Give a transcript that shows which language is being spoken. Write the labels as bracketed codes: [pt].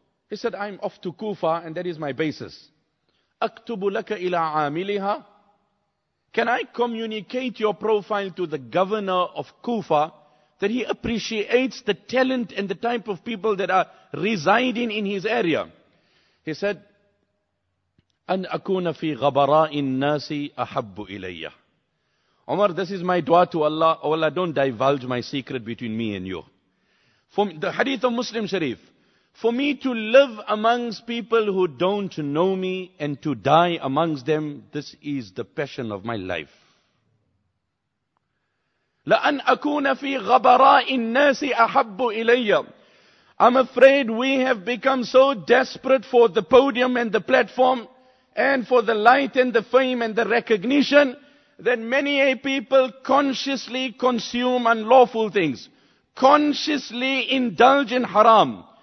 [en] He said, I'm off to Kufa and that is my basis. [ar] Aktubu laka ila amiliha? [en] Can I communicate your profile to the governor of Kufa that he appreciates the talent and the type of people that are residing in his area? [ar] He said, أن أكون في غبراء الناس أحب إلي. [en] Umar, this is my dua to Allah. Oh Allah, don't divulge my secret between me and you. For the hadith of Muslim Sharif, for me to live amongst people who don't know me and to die amongst them, this is the passion of my life. [ar] لأن أكون في غبراء الناس أحب إلي. [en] I'm afraid we have become so desperate for the podium and the platform and for the light and the fame and the recognition, that many a people consciously consume unlawful things, consciously indulge in haram.